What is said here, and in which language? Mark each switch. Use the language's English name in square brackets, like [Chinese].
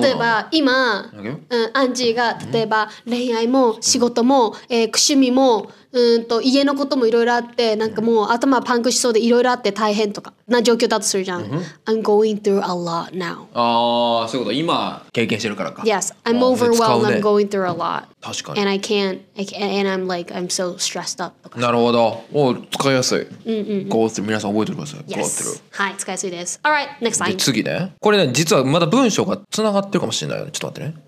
[Japanese] 例えば今、 [English] okay. [Japanese] アンジーが例えば恋愛も仕事も、趣味も家のこともいろいろあって、なんかもう頭パンクしそうでいろいろあって大変とかな状況だとするじゃん、うん、 [English] I'm going through a lot now、 [Japanese] あー、そういうこと、今経験してるからか、 [English] Yes, I'm overwhelmed,、 [Japanese] ね、 [English] I'm going through a lot、 [Japanese] 確かに、 [English] And I can't and I'm like, I'm so stressed up [Japanese] とか、なるほど、もう使いやすい、うんうん、 Go through、 皆さん覚えてください、 [English] yes. Go through、 [Japanese] はい、使いやすいです、 [English] Alright, next line、 [Japanese] 次ね、これね、実はまだ文章がつながってるかもしれないよね、ちょっと待ってね、